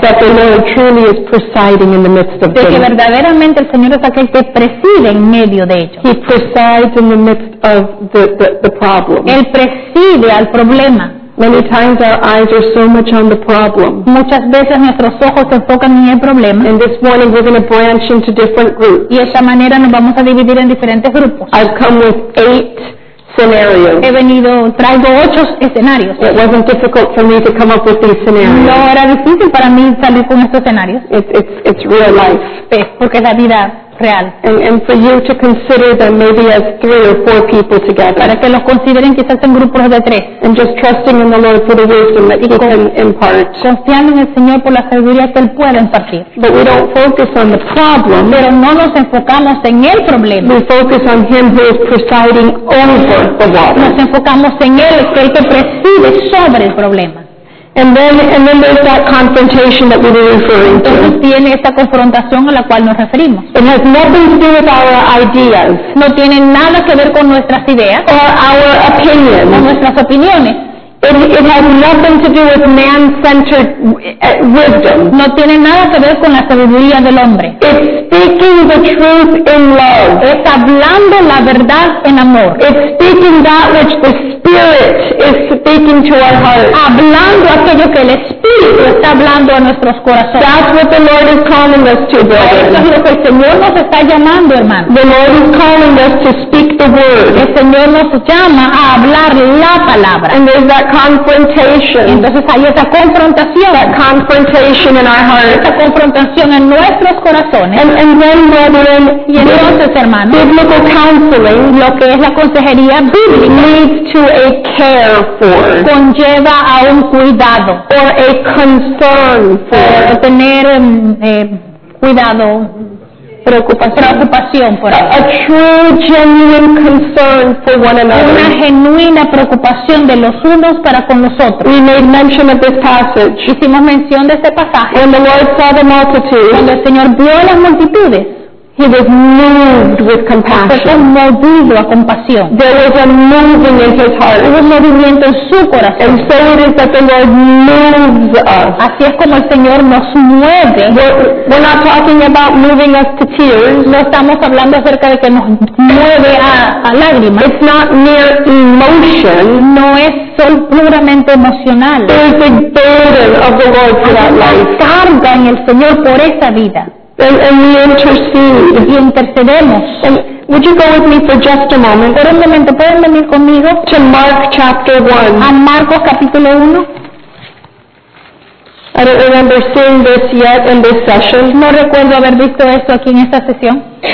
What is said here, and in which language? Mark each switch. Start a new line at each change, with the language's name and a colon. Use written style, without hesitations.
English: That the Lord truly is presiding in the midst of them.
Spanish: De que verdaderamente el Señor es aquel que preside en medio de ellos.
English: He presides in the midst of the problem.
Spanish: Él preside al problema.
English: Many times our eyes are so much on the problem.
Spanish: Muchas veces nuestros ojos se enfocan en el problema.
English: And this morning we're going to branch into different groups.
Spanish: Y esta manera nos vamos a dividir en diferentes grupos.
English: I've come with 8 scenarios.
Spanish: He venido, traigo 8 escenarios.
English: It wasn't difficult for me to come up with these scenarios.
Spanish: No era difícil para mí salir con estos escenarios.
English: It's real life.
Spanish: Es porque es la vida real.
English: And for you to consider them maybe as 3 or 4 people together.
Spanish: Para que los consideren quizás en grupos de 3.
English: And just trusting in the Lord for the wisdom that He can impart.
Spanish: Confiando en el Señor por la sabiduría que Él pueda impartir.
English: But we don't focus on the problem.
Spanish: Pero no nos enfocamos en el problema.
English: We focus on Him who is presiding over the water.
Spanish: Nos enfocamos en Él, que Él que preside sobre el problema.
English: And then there's that confrontation that we were referring to.
Spanish: Entonces tiene esta confrontación a la cual nos referimos.
English: It has nothing to do with our ideas.
Spanish: No tiene nada que ver con nuestras ideas.
English: Or our opinions.
Spanish: O nuestras opiniones.
English: It has nothing to do with man-centered wisdom.
Spanish: No tiene nada que ver con la sabiduría del hombre.
English: It's speaking the truth in love.
Spanish: Es hablando la verdad en amor.
English: It's speaking that which the Spirit is speaking to our hearts.
Spanish: Hablando aquello que el Espíritu está hablando a nuestros corazones.
English: That's what the Lord is calling us to, brother.
Spanish: Eso es lo que el Señor nos está llamando, hermano.
English: The Lord is calling us to speak the word.
Spanish: El Señor nos llama a hablar la palabra.
English: And there's that confrontation.
Spanish: Entonces hay esa confrontación.
English: That confrontation in our hearts.
Spanish: Esa confrontación en nuestros corazones.
English: And then, brethren, biblical counseling,
Spanish: lo que es la consejería bíblica,
English: leads to a care for.
Spanish: Conlleva a un cuidado.
English: Or a concern for.
Spanish: O tener cuidado. Preocupación por
English: a true, genuine concern for one another.
Spanish: Una genuina preocupación de los unos para con los otros.
English: We made mention of this passage.
Spanish: Hicimos mención de este pasaje.
English: When the Lord saw the multitudes,
Spanish: cuando el Señor vio las multitudes,
English: He was moved with compassion.
Spanish: Fue movido a compasión.
English: There was a moving in His heart.
Spanish: Hubo un movimiento en su corazón.
English: And so it is that the Lord moves us.
Spanish: Así es como el Señor nos mueve.
English: We're not talking about moving us to tears.
Spanish: No estamos hablando acerca de que nos mueve a lágrimas.
English: It's not mere emotion.
Spanish: No es solo puramente emocional.
English: There's a burden of the Lord for that life.
Spanish: Carga en el Señor por esa vida.
English: And we intercede.
Spanish: Y intercedemos.
English: And would you go with me for just a moment?
Spanish: Por un momento, ¿pueden venir conmigo?
English: To Mark chapter 1.
Spanish: A Marcos capítulo 1.
English: I don't remember seeing this yet in this session.
Spanish: No recuerdo haber visto esto aquí en esta sesión.